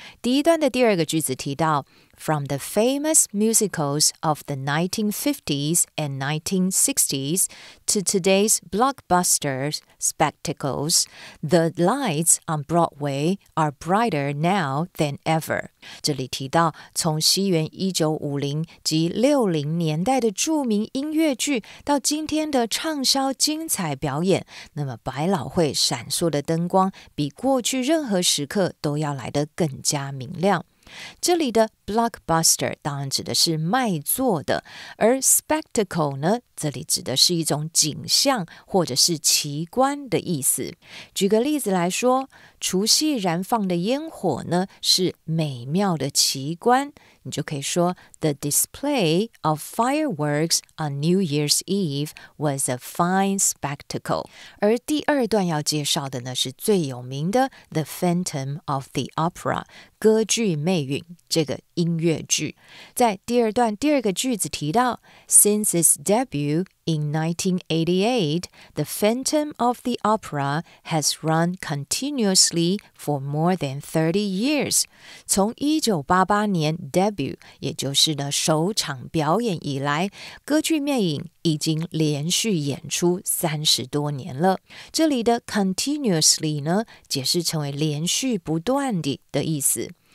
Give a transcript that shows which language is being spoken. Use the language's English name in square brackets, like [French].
[Chinese] 第一段的第二个句子提到 [English] From the famous musicals of the 1950s and 1960s to today's blockbusters spectacles, the lights on Broadway are brighter now than ever. [Chinese] 这里提到从西元1950及60年代的著名音乐剧到今天的畅销精彩表演，那么百老汇闪烁的灯光比过去任何时刻都要来得更加明亮。这里的 blockbuster 当然指的是卖座的，而 spectacle 呢，这里指的是一种景象或者是奇观的意思。举个例子来说，除夕燃放的烟火呢，是美妙的奇观。你就可以说 [English] The display of fireworks on New Year's Eve was a fine spectacle. [Chinese] 而第二段要介绍的呢是最有名的 The Phantom of the Opera, 歌剧魅影这个音乐剧。在第二段第二个句子提到 [English] Since its debut in 1988, The Phantom of the Opera has run continuously for more than 30 years. [Chinese] 从1988年 debut, 也就是呢首场表演以来，歌剧魅影已经连续演出30多年了。这里的 continuously 呢，解释成为连续不断地的意思。